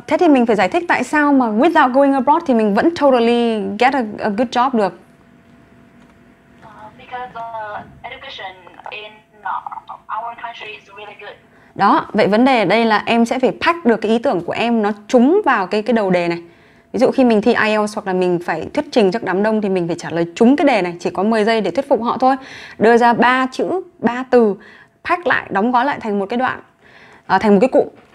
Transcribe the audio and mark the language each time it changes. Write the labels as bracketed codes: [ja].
[vi] Thế thì mình phải giải thích tại sao mà [en] without going abroad [vi] thì mình vẫn [en] totally get a good job [vi] được. [en] Because education in our country is really good. [vi] Đó. Vậy vấn đề ở đây là em sẽ phải pack được cái ý tưởng của em nó trúng vào cái đầu đề này. Ví dụ khi mình thi IELTS hoặc là mình phải thuyết trình trước đám đông thì mình phải trả lời trúng cái đề này, chỉ có 10 giây để thuyết phục họ thôi. Đưa ra 3 chữ, 3 từ, pack lại, đóng gói lại thành một cái đoạn, thành một cái cụm.